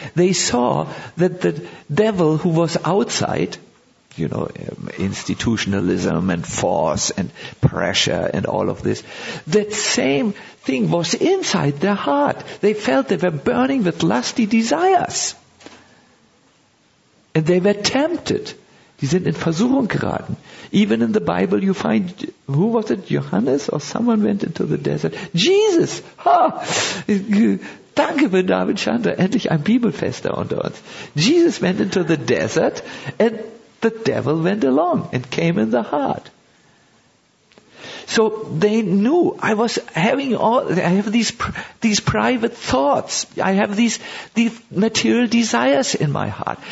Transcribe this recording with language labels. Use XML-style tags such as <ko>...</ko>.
<en>They saw that the devil who was outside, you know, institutionalism and force and pressure and all of this, that same thing was inside their heart. They felt they were burning with lusty desires. And they were tempted.</en> <de>Die sind in Versuchung geraten.</de> <en>Even in the Bible you find, who was it, Johannes or someone went into the desert? Jesus! Ha!</en> <de>Danke für David Chandra, endlich ein Bibelfester unter uns.</de> <en>Jesus went into the desert and the devil went along and came in the heart. So they knew, I was having all, I have these private thoughts. I have these material desires in my heart.</en>